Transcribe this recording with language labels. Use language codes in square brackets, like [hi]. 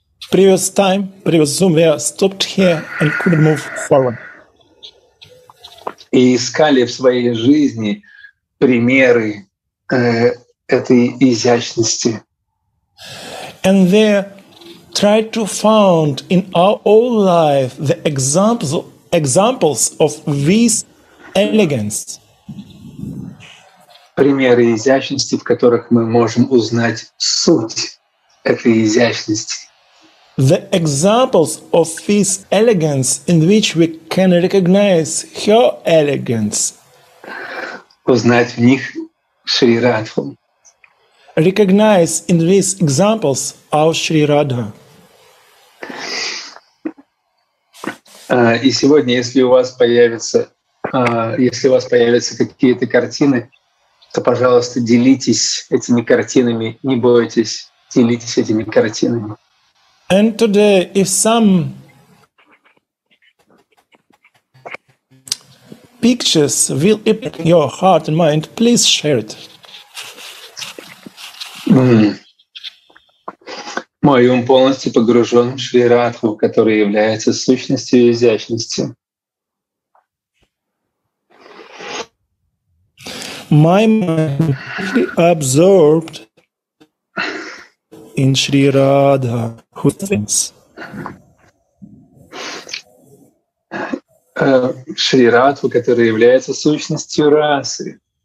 [en] Previous time, previous Zoom, we stopped here and couldn't move forward. [ru] И искали в своей жизни примеры этой изящности. [en] And there tried to find in our own life the examples of this elegance. [ru] Примеры изящности, в которых мы можем узнать суть этой изящности. [en] The examples of this elegance in which we can recognize her elegance. [ru] Узнать в них Шри Радху. [en] Recognize in these examples our Шри Радха. [ru] И сегодня, если у вас появятся какие-то картины, то, пожалуйста, делитесь этими картинами. Не бойтесь, делитесь этими картинами. [en] And today, if some pictures will open your heart and mind, please share it. [ru] Мой ум полностью погружен в Шри Радху, который является сущностью изящности. [en] My mind fully absorbed in Shri Radha, who thinks. [ru] Shri Radha, который является сущностью расы.